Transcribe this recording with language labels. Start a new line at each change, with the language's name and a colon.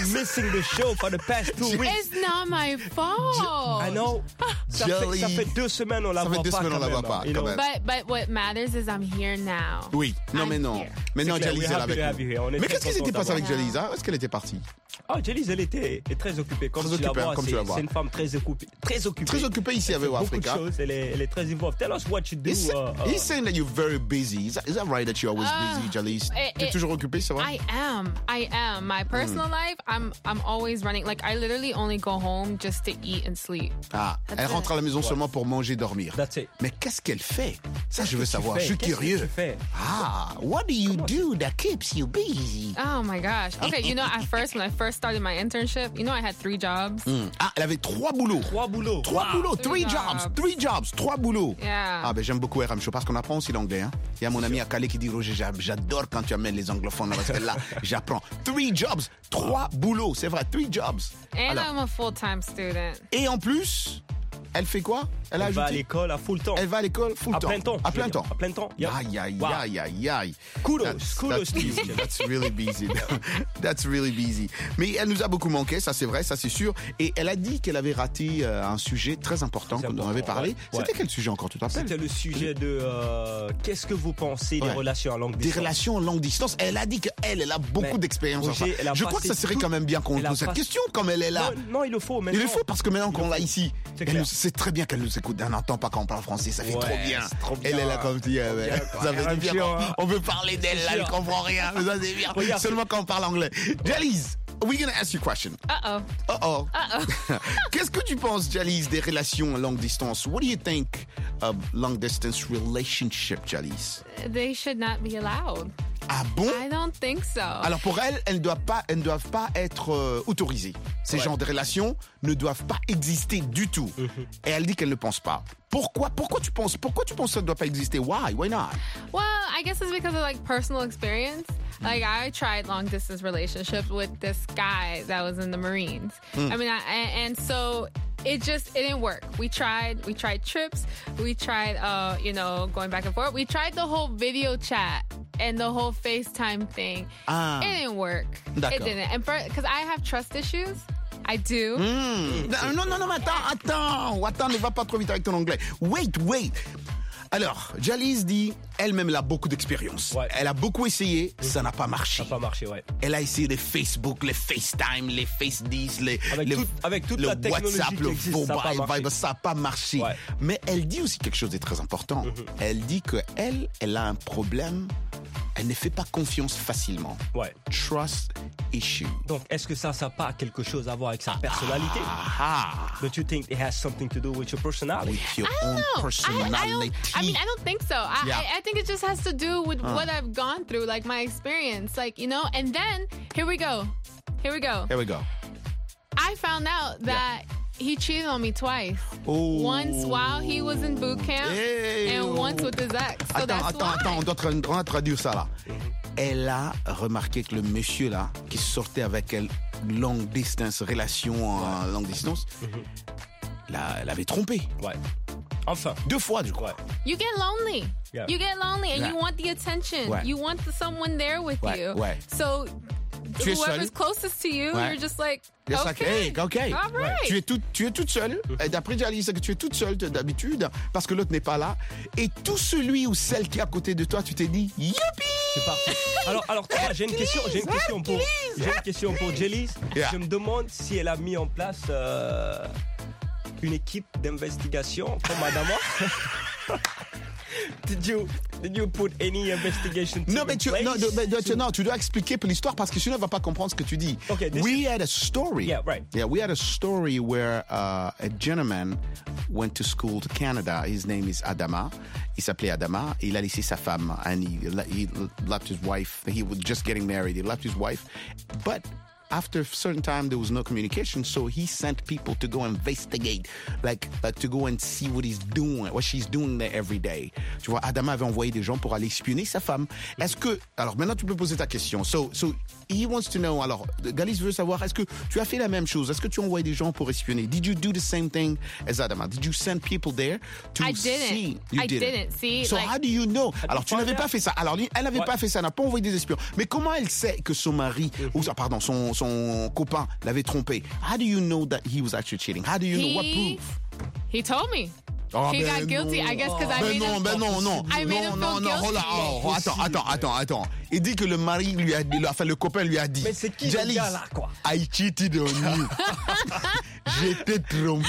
English: You've been missing the show for the past two weeks. It's not my fault. I know. Jelise.
French: Ça fait deux semaines, on l'a voit pas. Ça fait deux semaines, on l'a voit pas. Quand même.
English: But what matters is I'm here now.
French: Oui. Non, mais non. Maintenant, Jelise est là avec nous. Mais qu'est-ce qui s'était passé avec Jelise? Où est-ce qu'elle était partie? Oh, Jelise, elle était très occupée. Très occupée, comme tu la vois. C'est une femme très occupée. Très occupée. Très occupée ici, avec Africa. Beaucoup de choses. Elle est très involved.
English: Tell us what you do. He's saying that you're very busy. Is that right that you're always busy, Jelise?
French: T'es toujours occupée, ça va?
English: I am. My personal life, I'm always running. Like, I literally only go home just to eat and sleep.
French: Ah, that's elle rentre it. À la maison, what? Seulement pour manger et dormir.
English: That's it.
French: Mais qu'est-ce qu'elle fait? Ça, qu'est-ce je veux savoir. Fais? Je suis qu'est-ce curieux. Qu'est-ce que tu fais?
English: Ah, what do you do that keeps you busy? Oh, my gosh. Okay, you know, when I first started my internship, you know, I had 3 jobs.
French: Mm. Ah, elle avait 3 boulots. 3 boulots. Wow. 3 boulots.
English: 3 jobs. 3 jobs.
French: 3 boulots.
English: Yeah.
French: Ah, ben, j'aime beaucoup RM Show parce qu'on apprend aussi l'anglais, hein. Il y a mon ami à Calais qui dit, Roger, j'adore quand tu amènes les anglophones là, parce que là, j'apprends. 3 jobs. 3 boulots. C'est vrai, 3 jobs.
English: And alors, I'm a full-time student.
French: Et en plus, elle fait quoi? Elle va à l'école à full temps. Elle va à l'école full temps. À plein temps. À plein temps. À plein temps. Yep. Aïe, aïe, wow, aïe, aïe, aïe.
English: Kudos to you. That's really busy. That's really busy.
French: Mais elle nous a beaucoup manqué, ça c'est vrai, ça c'est sûr. Et elle a dit qu'elle avait raté un sujet très important dont on avait parlé. Ouais. C'était, ouais, quel sujet encore, tu t'en rappelles? C'était le sujet de qu'est-ce que vous pensez des, ouais, relations à longue distance. Des relations à longue distance. Elle a dit qu'elle a beaucoup, mais, d'expérience. Roger, en je crois que ça serait tout... quand même bien qu'on pose cette question comme elle est là. Non, il le faut maintenant. Il le faut parce que maintenant qu'on l'a ici, c'est très bien qu'elle nous écoute. On n'entend pas quand on parle français, ça fait, ouais, trop bien. Trop bien. Elle est là comme tu dis, ouais, ouais, ça fait du bien. Sûr, on veut parler d'elle, là, elle comprend rien. Mais ça, c'est bien. Regarde. Seulement quand on parle anglais.
English: Jelise, we're going to ask you a question. Uh-oh.
French: Qu'est-ce que tu penses, Jelise, des relations à longue distance?
English: What do you think of long distance relationship, Jelise? They should not be allowed.
French: Ah bon?
English: I don't think so.
French: Alors pour elle, elles ne doivent pas être autorisées. Ces, ouais, genres de relations ne doivent pas exister du tout. Mm-hmm. Et elle dit qu'elle ne pense pas. Pourquoi tu penses que ça ne doit pas exister?
English: Why not? Well, I guess it's because of like personal experience. Like, I tried long-distance relationships with this guy that was in the Marines. Mm. I mean, and so it didn't work. We tried trips. We tried, you know, going back and forth. We tried the whole video chat and the whole FaceTime thing. Ah. It didn't work.
French: D'accord.
English: It didn't. And because I have trust issues. I do.
French: Mm. Non, non, non, mais attends, attends. Attends, ne va pas trop vite avec ton anglais.
English: Wait, wait.
French: Alors, Jalise dit, elle-même, elle a beaucoup d'expérience. Ouais. Elle a beaucoup essayé, mmh. Ça n'a pas marché. Ça n'a pas marché, ouais. Elle a essayé les Facebook, les FaceTime, les FaceDis, les WhatsApp, le Vobile, Viber, ça n'a pas marché. Ouais. Mais elle dit aussi quelque chose de très important. Mmh. Elle dit qu'elle, elle a un problème, elle ne fait pas confiance facilement. Ouais.
English: Trust issue.
French: Donc, est-ce que ça, ça n'a pas quelque chose à voir avec sa personnalité? Ah, ah.
English: Don't you think it has something to do with your personality? With your own personality. I don't think so. I think it just has to do with what I've gone through, like my experience, like, you know, and then here we go. Here we go. Here we go. I found out that he cheated on me twice. Oh. Once while he was in boot camp and once with his ex. So
French: attends,
English: that's
French: attends,
English: why.
French: Attends, on doit traduire ça là. Elle a remarqué que le monsieur là, qui sortait avec elle, long distance, relation en longue distance, l'avait trompé. Ouais. Enfin, deux fois du coup.
English: You get lonely. Yeah. You get lonely and you want the attention.
French: Ouais.
English: You want someone there with you.
French: Ouais.
English: So whoever's closest to you, you're just like, okay.
French: Tu es toute seule. Et d'après Jalise, que tu es toute seule d'habitude parce que l'autre n'est pas là. Et tout celui ou celle qui est à côté de toi, tu t'es dit, youpi. C'est parti. Alors, toi, j'ai une question pour Jalise.
English: Yeah.
French: Je me demande si elle a mis en place une équipe d'investigation pour madame.
English: Did you put any investigation team
French: tu dois expliquer pour l'histoire parce que sinon elle va pas comprendre ce que tu dis.
English: Okay, we had a story where a gentleman went to school to Canada. His name is Adama.
French: Il s'appelait Adama. Il a laissé sa femme
English: and he left his wife. He was just getting married. He left his wife, but after a certain time, there was no communication, so he sent people to go investigate, like to go and see what he's doing, what she's doing there every day.
French: Tu vois, Adama avait envoyé des gens pour aller espionner sa femme. Est-ce que... Alors, maintenant, tu peux poser ta question.
English: So he wants to know,
French: alors, Galice veut savoir, est-ce que tu as fait la même chose? Est-ce que tu as envoyé des gens pour espionner?
English: Did you do the same thing as Adama? Did you send people there to I didn't see. So like, how do you know?
French: Alors, tu n'avais pas fait ça. Alors, elle n'avait pas fait ça, elle n'a pas envoyé des espions. Mais comment elle sait que son mari, son copain l'avait trompé?
English: How do you know that he was actually cheating? How do you know? What proof? He told me. Oh, he got guilty,
French: non.
English: I guess, because I made
French: non,
English: him feel
French: non, non.
English: I made
French: non,
English: him
French: non, non,
English: guilty.
French: Non, non, non, attends. Il dit que le mari lui a dit, enfin, le copain lui a dit. Mais c'est qui Jalise, le gars là, quoi?
English: I cheated on you.
French: J'étais trompé.